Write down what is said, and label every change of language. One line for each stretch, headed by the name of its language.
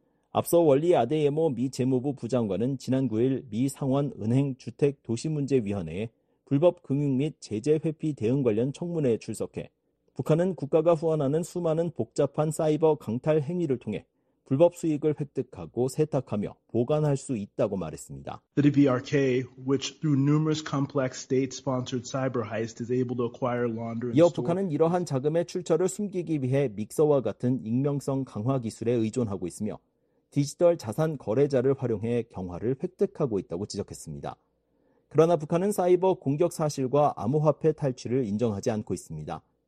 Korean: 앞서 월리 아데예모 미 재무부 부장관은 지난 9일 미 상원 은행 주택 도시문제위원회에 불법 금융 및 제재 회피 대응 관련 청문회에 출석해 북한은 국가가 후원하는 수많은 복잡한 사이버 강탈 행위를 통해 불법 수익을 획득하고 세탁하며 보관할 수 있다고 말했습니다.
English: The DBRK, which through numerous complex state-sponsored cyber heist is able to acquire, launder, and store.
Korean: 이어 북한은 이러한 자금의 출처를 숨기기 위해 믹서와 같은 익명성 강화 기술에 의존하고 있으며 디지털 자산 거래자를 활용해 경화를 획득하고 있다고 지적했습니다. 그러나 북한은 사이버 공격 사실과 암호화폐 탈취를 인정하지 않고 있습니다.